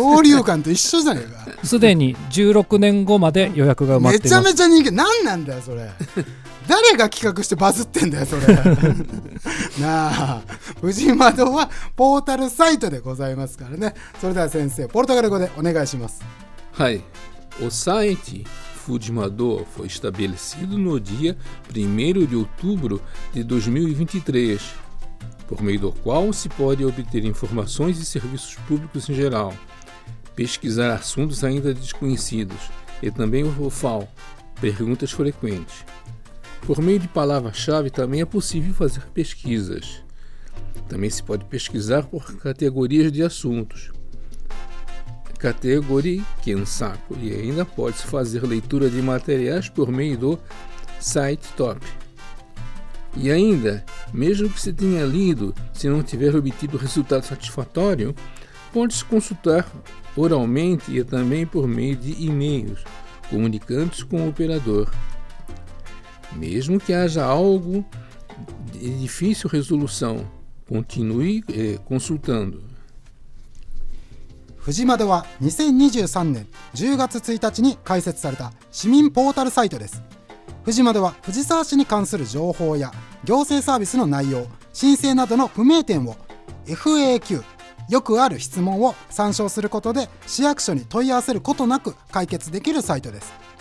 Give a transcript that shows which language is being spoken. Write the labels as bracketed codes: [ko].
[ja] 交流感と一緒じゃねえか。すでに16年後まで予約が埋まっています。めちゃめちゃ人気。何なんだよそれ。誰が企画してバズってんだよそれ。なあ、藤窓はポータルサイトでございますからね。それでは先生、ポルトガル語でお願いします。はい、お [pt] site Fuji Mado foi estabelecido no dia 1º de outubro de 2023, por meio do qual se pode obter informações e serviços públicos em geral, pesquisar assuntos ainda desconhecidos e também o FAO, perguntas frequentes. Por meio de palavra-chave também é possível fazer pesquisas. Também se pode pesquisar por categorias de assuntos. Categoria Kensaku, e ainda pode-se fazer leitura de materiais por meio do site top. E ainda, mesmo que se tenha lido, se não tiver obtido resultado satisfatório, pode-se consultar oralmente e também por meio de e-mails, comunicando-se com o operador. Mesmo que haja algo de difícil resolução, continue consultando. [ja] 藤窓は2023年10月1日に開設された市民ポータルサイトです。藤窓は藤沢市に関する情報や行政サービスの内容、申請などの不明点を FAQ、 よくある質問を参照することで市役所に問い合わせることなく解決できるサイトです。